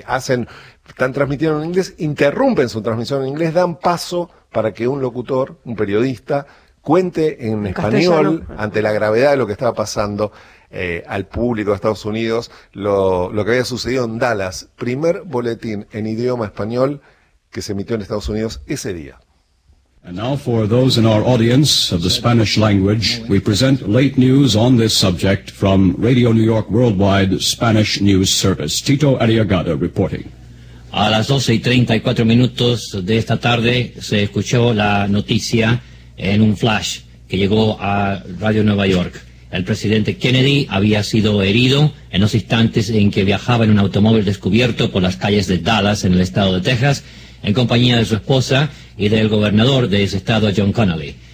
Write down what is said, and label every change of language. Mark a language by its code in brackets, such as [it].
[es] Están transmitiendo en inglés, interrumpen su transmisión en inglés, dan paso para que un locutor, un periodista, cuente en español, castellano, ante la gravedad de lo que estaba pasando al público de Estados Unidos, lo que había sucedido en Dallas. Primer boletín en idioma español que se emitió en Estados Unidos ese día. [en] And now for those in our audience of the Spanish language, we present late news on this subject from Radio New York Worldwide Spanish News Service. Tito Arriagada reporting. [es] A las 12:34 de esta tarde se escuchó la noticia en un flash que llegó a Radio Nueva York. El presidente Kennedy había sido herido en los instantes en que viajaba en un automóvil descubierto por las calles de Dallas en el estado de Texas, en compañía de su esposa y del gobernador de ese estado, John Connally.